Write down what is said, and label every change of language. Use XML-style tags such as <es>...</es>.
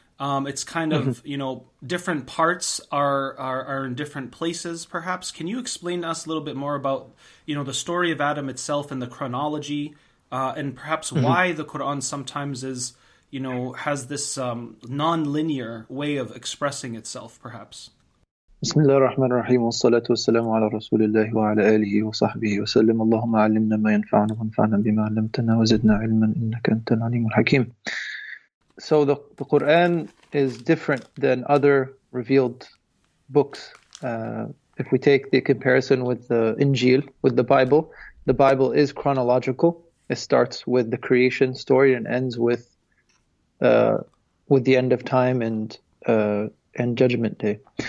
<en>It's kind of, you know, different parts are in different places, perhaps. Can you explain to us a little bit more about, you know, the story of Adam itself and the chronology, and perhaps why the Quran sometimes is, you know, has this non-linear way of expressing itself, perhaps?</en> <ar>بسم الله الرحمن الرحيم والصلاة والسلام على رسول الله وعلى آله وصحبه وسلم اللهم علمنا ما ينفعنا وانفعنا بما علمتنا وزدنا علما إنك أنت العليم الحكيم.</ar> <en>So the Quran is different than other revealed books. If we take the comparison with the Injil, with the Bible is chronological. It starts with the creation story and ends with the end of time and judgment day.</en>